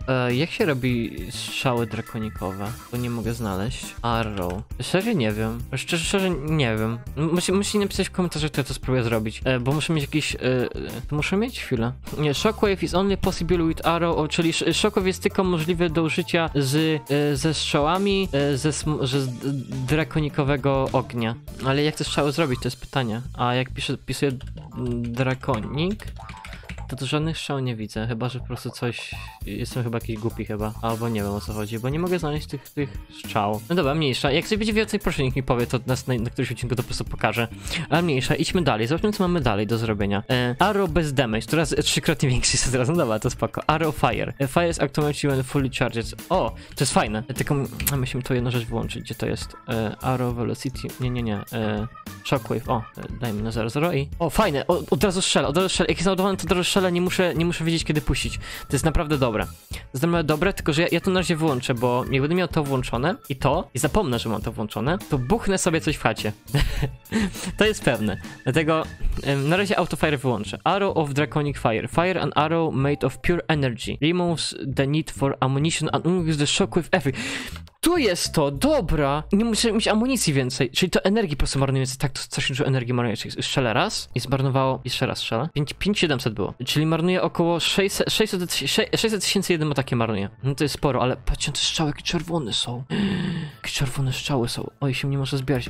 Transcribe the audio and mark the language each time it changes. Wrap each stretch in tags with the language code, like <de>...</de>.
<pl>Jak się robi strzały drakonikowe? Bo nie mogę znaleźć. Arrow. Szczerze nie wiem. Szczerze nie wiem. Musi napisać w komentarzach, kto to spróbuje zrobić. Bo muszę mieć jakiś. Muszę mieć chwilę. Nie,</pl> <en>shockwave is only possible with arrow.</en> <pl>Czyli shockwave jest tylko możliwy do użycia ze strzałami ze drakonikowego ognia. Ale jak te strzały zrobić, to jest pytanie. A jak pisuje drakonik? To żadnych strzał nie widzę, chyba że po prostu coś... Jestem chyba jakiś głupi chyba, albo nie wiem o co chodzi, bo nie mogę znaleźć tych strzał. No dobra, mniejsza. Jak sobie będzie więcej, proszę niech mi powie, to na którymś odcinku to po prostu pokażę. Ale mniejsza, idźmy dalej, zobaczmy co mamy dalej do zrobienia. Arrow bez damage, teraz trzykrotnie większy jest od razu, no dobra, to spoko.</pl> <en>Arrow fire. Fire is automatically when fully charged.</en> <pl>O, to jest fajne. Tylko musimy tu jedną rzecz włączyć, gdzie to jest. Arrow velocity, nie. Shockwave, o, dajmy na 0-0 i... O, fajne, od razu strzela, jak jest naładowany, to od razu strzela, nie muszę wiedzieć, kiedy puścić. To jest naprawdę dobre. To jest naprawdę dobre, tylko że ja to na razie wyłączę, bo jak będę miał to włączone i to, i zapomnę, że mam to włączone, to buchnę sobie coś w chacie. To jest pewne. Dlatego na razie autofire wyłączę.</pl> <en>Arrow of Draconic Fire. Fire an arrow made of pure energy. Removes the need for ammunition and unlocks the shockwave effect.</en> <pl>Tu jest to, dobra. Nie muszę mieć amunicji więcej. Czyli to energii po prostu marnuje więcej. Tak, to coś dużo energii marnuje. Strzelę raz i zmarnowało. Jeszcze raz strzelę. 5700 było. Czyli marnuje około 600 tysięcy jednym atakiem marnuje. No to jest sporo, ale patrzcie, te strzały, jakie czerwone są. Jakie czerwone strzały są. Oj, się nie może zbierać.</pl>